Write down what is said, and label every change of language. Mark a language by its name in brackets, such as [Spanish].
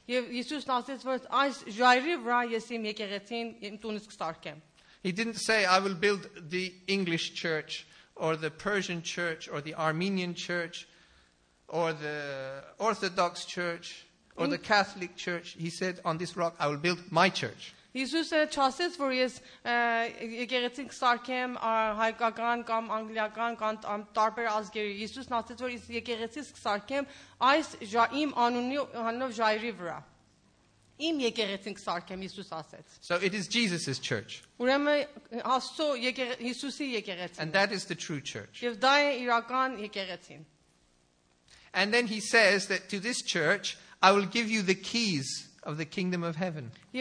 [English] He didn't say, I will build the English church, or the Persian church, or the Armenian church, or the Orthodox church, or the Catholic church. He said, on this rock, I will build my church. [Armenian] Հիսուսը ասաց, որ ես եկեղեցին կսարքեմ հայկական կամ անգլիական կամ տարբեր ազգերի։ Հիսուսն ասաց, որ ես եկեղեցին կսարքեմ այս իմ անունով ժայռի վրա։ Իմ եկեղեցին կսարքեմ, Հիսուս ասաց։ [English] So it is Jesus's church. [Armenian] Ուրեմն Աստծո Հիսուսի եկեղեցին։ [English] And that is the true church. [Armenian] Եվ դա է իրական եկեղեցին։ [English] And then he says that to this church, I will give you the keys of the kingdom of heaven.